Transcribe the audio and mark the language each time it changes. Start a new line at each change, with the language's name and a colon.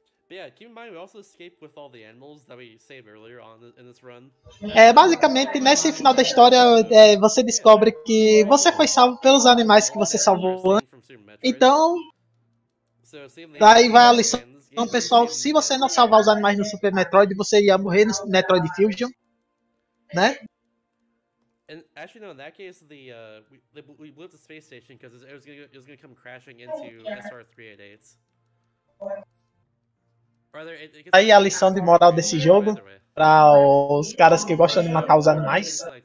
English: Yeah, keep in mind we also escaped with all the animals that we saved earlier on in this run.
Portuguese: Basicamente nesse final da história você descobre que você foi salvo pelos animais que você salvou antes. Então, daí vai a lição. Então, pessoal, se você não salvar os animais no Super Metroid, você ia morrer no Metroid Fusion, né?
English: And actually, no. In that case, we blew up the space station because it was gonna come crashing into SR388.
Portuguese: Aí a lição de moral desse jogo, para os caras que gostam de matar os animais.